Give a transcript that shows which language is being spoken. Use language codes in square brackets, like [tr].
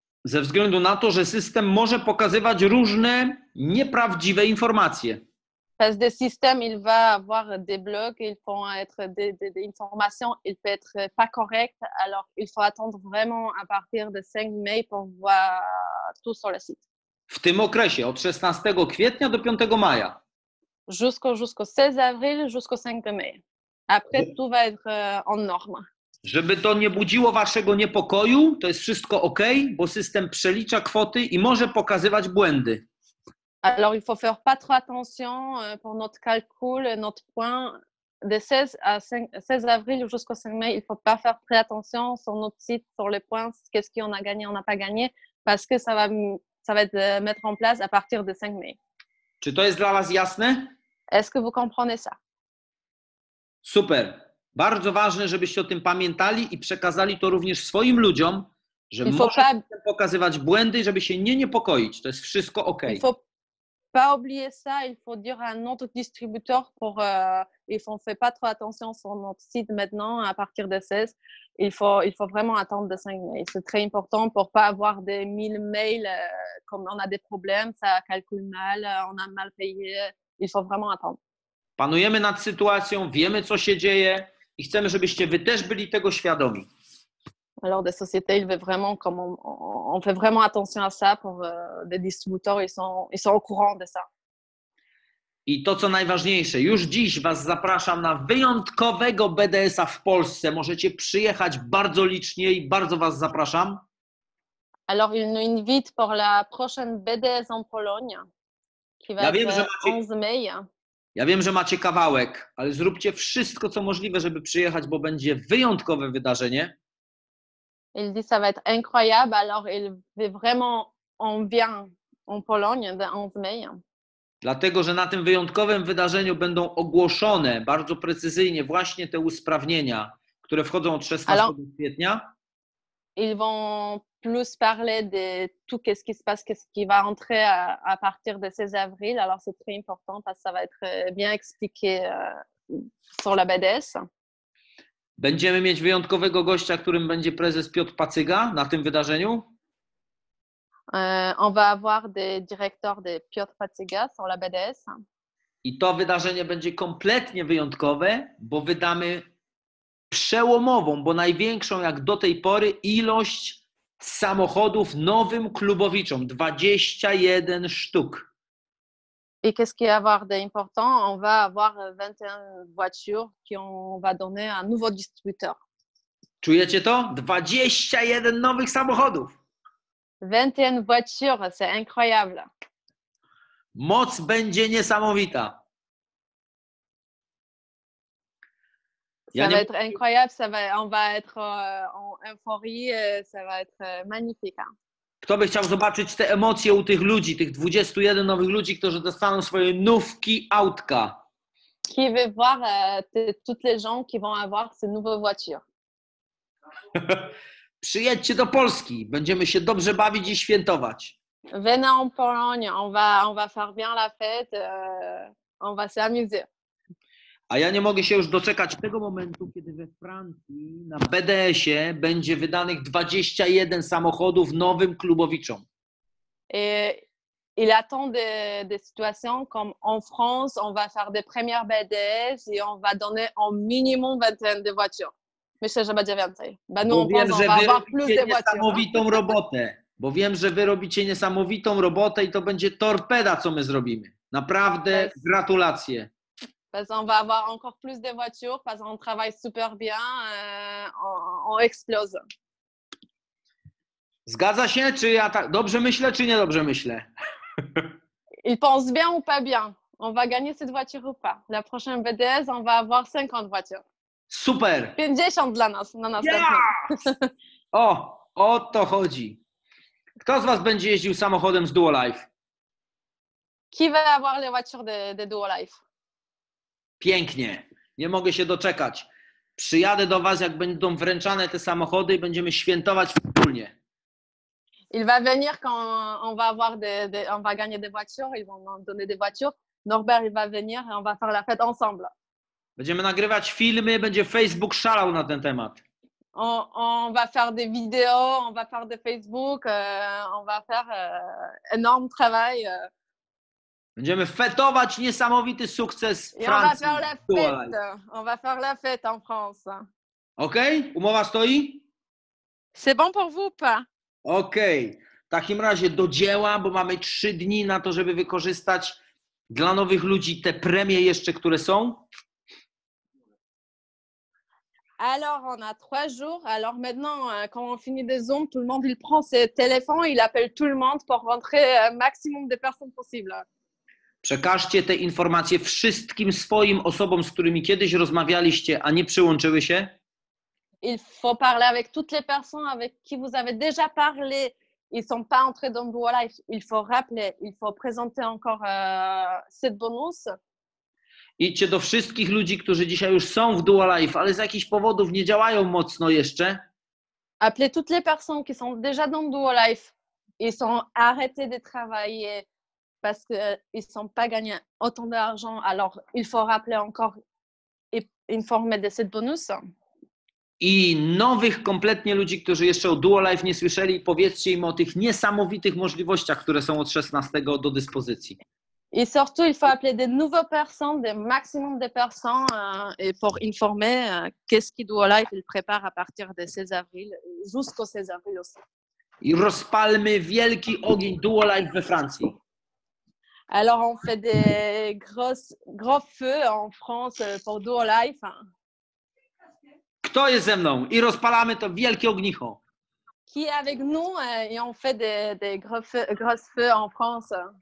[pl] Ze względu na to, że system może pokazywać różne nieprawdziwe informacje. [fr] Parce que le système il va avoir des blocs, il faut être des informations, il peut être pas correct, alors il faut attendre vraiment à partir de 5 mai pour voir tout sur le site. [pl] W tym okresie, od 16 kwietnia do 5 maja. [fr] Jusqu'au 16 avril, jusqu'au 5 mai. Après, tout va être en norme. [pl] Żeby to nie budziło waszego niepokoju, to jest wszystko ok, bo system przelicza kwoty i może pokazywać błędy. [fr] Alors, il faut faire pas trop attention pour notre calcul, notre point. De 16 avril jusqu'au 5 mai, il faut pas faire très attention sur notre site, sur les points, qu'est-ce qu'on a gagné, on n'a pas gagné, parce que ça va être mettre en place à partir de 5 mai. [pl] Czy to jest dla was jasne? [fr] Est-ce que vous comprenez ça? [pl] Super. Bardzo ważne, żebyście o tym pamiętali i przekazali to również swoim ludziom, że możesz pokazywać błędy, żeby się nie niepokoić. To jest wszystko ok. [fr] Il faut pas oublier ça. Il faut dire à notre distributeur pour if on fait pas trop attention sur notre site maintenant à partir de 16, il faut vraiment attendre de 5 mails. C'est très important pour pas avoir des 1000 mails comme on a des problèmes, ça calcule mal, on a mal payé. Il faut vraiment attendre. [pl] Panujemy nad sytuacją, wiemy co się dzieje i chcemy, żebyście wy też byli tego świadomi. [fr] Alors des sociétés, ils veulent vraiment comme on fait vraiment attention à ça pour des distributeurs, ils sont au courant de ça. [pl] I to, co najważniejsze, już dziś Was zapraszam na wyjątkowego BDS-a w Polsce. Możecie przyjechać bardzo licznie i bardzo Was zapraszam. [fr] Alors, il nous invite pour la prochaine BDS en Pologne, qui va être 11 mai. [pl] Ja wiem, że macie kawałek, ale zróbcie wszystko, co możliwe, żeby przyjechać, bo będzie wyjątkowe wydarzenie. [fr] Il dit ça va être incroyable, alors il veut vraiment on vient en Pologne le 11 mai. [pl] Dlatego, że na tym wyjątkowym wydarzeniu będą ogłoszone bardzo precyzyjnie właśnie te usprawnienia, które wchodzą od 16 kwietnia. [fr] Ils vont plus parler de tout qu'est-ce qui se passe, qu'est-ce qui va entrer à partir de 16 avril. Alors c'est très important parce que ça va être bien expliqué sur la BDS. [pl] Będziemy mieć wyjątkowego gościa, którym będzie prezes Piotr Pacyga na tym wydarzeniu. [fr] On va avoir des directeurs de Piotr Pacyga sur la BDS. [pl] I to wydarzenie będzie kompletnie wyjątkowe, bo wydamy przełomową, bo największą jak do tej pory ilość samochodów nowym klubowiczom, 21 sztuk. [fr] Et qu'est-ce qui va avoir d'important? On va avoir 21 voitures qui on va donner à un nouveau distributeur. [pl] Czujecie to? 21 nowych samochodów. [fr] 21 voiture, c'est incroyable. [pl] Moc będzie niesamowita. [fr] Ça va être incroyable, on va être en euphorie, ça va être magnifique. [pl] Kto by chciał zobaczyć te emocje u tych ludzi, tych 21 nowych ludzi, którzy dostaną swoje nówki autka? [fr] Qui veut voir toutes les gens qui vont avoir ces nouvelles voitures? [pl] Przyjedźcie do Polski, będziemy się dobrze bawić i świętować. [fr] Venez en Pologne, on va faire bien la fête, on va s'amuser. [pl] A ja nie mogę się już doczekać tego momentu, kiedy we Francji na BDS-ie będzie wydanych 21 samochodów nowym klubowiczom. [fr] Il attend des situations comme en France, on va faire des premières BDS et on va donner en minimum 21 de voitures. [pl] Myślę, że będzie więcej. Będą [fr] on [pl] pomoże [fr] va avoir plus de voitures. [pl] Niesamowitą robotę, bo wiem, że wy robicie niesamowitą robotę i to będzie torpeda, co my zrobimy. Naprawdę yes. Gratulacje. [fr] Parce qu'on va avoir encore plus de voitures, parce qu'on travaille super bien, on explose. [pl] Zgadza się, czy ja tak dobrze myślę, czy nie dobrze myślę? [fr] Il pense bien ou pas bien? On va gagner cette voiture ou pas? La prochaine BDS, on va avoir 50 voitures. [pl] Super! 50 dla nas, na następny. Yes! O to chodzi. Kto z Was będzie jeździł samochodem z Duolife? [fr] Qui va avoir les voitures de Duolife? [pl] Pięknie. Nie mogę się doczekać. Przyjadę do Was, jak będą wręczane te samochody i będziemy świętować wspólnie. [fr] Il va venir quand on va avoir on va gagner des voitures, ils vont nous donner des voitures. Norbert, il va venir et on va faire la fête ensemble. [pl] Będziemy nagrywać filmy, będzie Facebook szalał na ten temat. [fr] On va faire des vidéos, on va faire des Facebook, on va faire énorme travail. [pl] Będziemy fetować niesamowity sukces Francji. [fr] On va faire la fête en France. [pl] OK? Umowa stoi? [fr] C'est bon pour vous, pa? OK. [pl] W takim razie do dzieła, bo mamy 3 dni na to, żeby wykorzystać dla nowych ludzi te premie jeszcze, które są. [fr] Alors, on a 3 jours. Alors maintenant, quand on finit des Zoom, tout le monde il prend ses téléphones, il appelle tout le monde pour rentrer maximum de personnes possible. [pl] Przekażcie te informacje wszystkim swoim osobom, z którymi kiedyś rozmawialiście, a nie przyłączyły się. [fr] Il faut parler avec toutes les personnes avec qui vous avez déjà parlé. Ils sont pas entrés dans Google Live. Il faut rappeler, il faut présenter encore cette bonus. [pl] Idźcie do wszystkich ludzi, którzy dzisiaj już są w Dual Life, ale z jakichś powodów nie działają mocno jeszcze. [fr] appeler toutes les personnes qui sont déjà dans DuoLife et sont arrêtées de travailler parce qu'ils ne sont pas gagné autant d'argent. Alors, il faut rappeler encore et informer de cette bonus. [pl] I nowych kompletnie ludzi, którzy jeszcze o DuoLife nie słyszeli, powiedzcie im o tych niesamowitych możliwościach, które są od 16 do dyspozycji. [fr] I surtout, il faut appeler des nouveaux personnes, des maximum de personnes, et pour informer qu'est-ce qui DuoLife il prépare à partir de 16 avril, jusqu'au 16 avril aussi. [pl] I rozpalmy wielki ogień DuoLife we Francji. [fr] Alors on fait des gros feux en France pour DuoLife. [pl] Kto jest ze mną? I rozpalamy to wielkie ognicho. [fr] Qui est avec nous et on fait des gros feux en France.